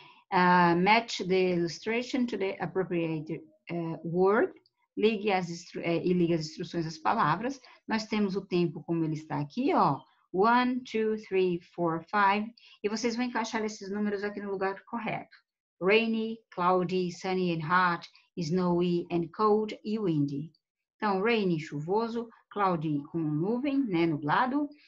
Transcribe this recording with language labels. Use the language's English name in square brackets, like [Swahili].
[English] Match the illustration to the appropriate word. [Portuguese] Ligue as e ligue as instruções às palavras. Nós temos o tempo como ele está aqui, ó. 1, 2, 3, 4, 5. E vocês vão encaixar esses números aqui no lugar correto. [English] Rainy, cloudy, sunny and hot, snowy and cold e windy. [Portuguese] Então, rainy, chuvoso, cloudy, com nuvem, né, nublado.